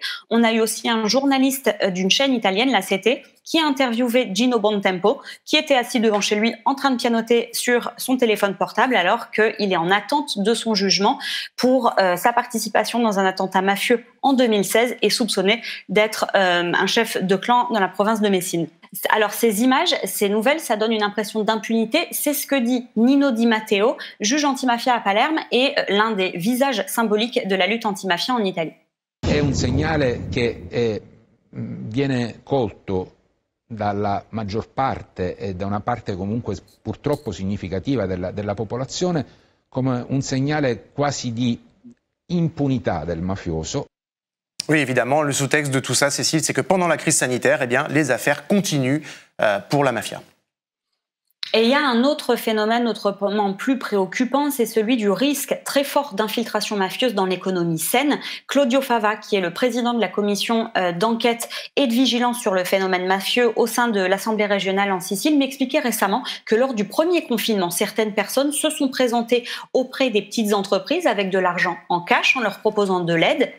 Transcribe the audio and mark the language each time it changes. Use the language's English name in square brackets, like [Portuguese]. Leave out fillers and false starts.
[French] On a eu aussi un journaliste d'une chaîne italienne, la CT, qui a interviewé Gino Bontempo, qui était assis devant chez lui en train de pianoter sur son téléphone portable alors qu'il est en attente de son jugement pour sa participation dans un attentat mafieux en 2016 et soupçonné d'être un chef de clan dans la province de Messine. Alors ces images, ces nouvelles, ça donne une impression d'impunité. C'est ce que dit Nino Di Matteo, juge antimafia à Palerme et l'un des visages symboliques de la lutte antimafia en Italie. [Italian] È un segnale che viene colto dalla maggior parte e da una parte comunque purtroppo significativa della popolazione come un segnale quasi di impunità del mafioso. [French] Oui, évidemment, le sous-texte de tout ça, Cécile, c'est que pendant la crise sanitaire, eh bien, les affaires continuent pour la mafia. Et il y a un autre phénomène autrement plus préoccupant, c'est celui du risque très fort d'infiltration mafieuse dans l'économie saine. Claudio Fava, qui est le président de la commission d'enquête et de vigilance sur le phénomène mafieux au sein de l'Assemblée régionale en Sicile, m'expliquait récemment que lors du premier confinement, certaines personnes se sont présentées auprès des petites entreprises avec de l'argent en cash en leur proposant de l'aide.